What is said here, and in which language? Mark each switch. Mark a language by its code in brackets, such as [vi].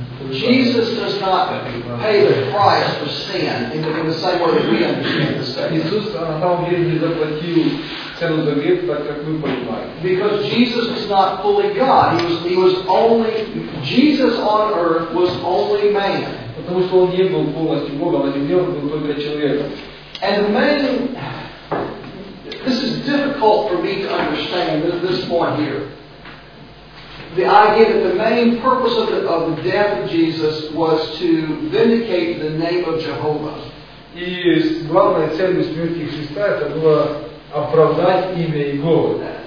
[en] Jesus does not pay the price for sin in the same way we understand the same. [ru] Иисус на самом деле не заплатил цену за грех, так как вы понимаете. [en] Because Jesus was not fully God. He was only Jesus on earth was only man. [ru] Потому что он не был полностью Богом, а земле он был только человеком. [en] And man, this is difficult for me to understand this point here. The idea that the main purpose of the death of Jesus was to vindicate the name of Jehovah. [ru] И главная цель смерти Христа это было оправдать имя Иеговы.